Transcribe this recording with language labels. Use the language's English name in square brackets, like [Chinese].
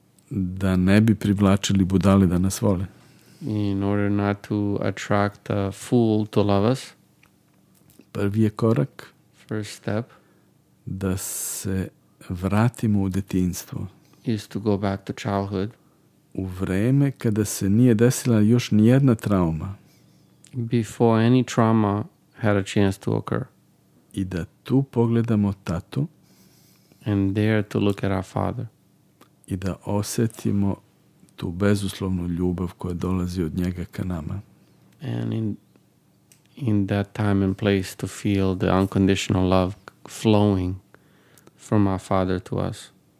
[Serbian] Da ne bi privlačili budale da nas vole. [English] In order not to attract a fool to love us. [Serbian] Prvi je korak. [English] First step. [Serbian] Da se vratimo u detinjstvo. [English] Is to go back to childhood. [Serbian] U vreme kada se nije desila još nijedna trauma. [English] Before any trauma had a chance to occur. [Serbian] I da tu pogledamo tatu. [English] And there to look at our father. [Serbian] I da osetimo tu bezuslovnu ljubav koja dolazi od njega ka nama. [English] And in that time and place to feel the unconditional love flowing from our father to us.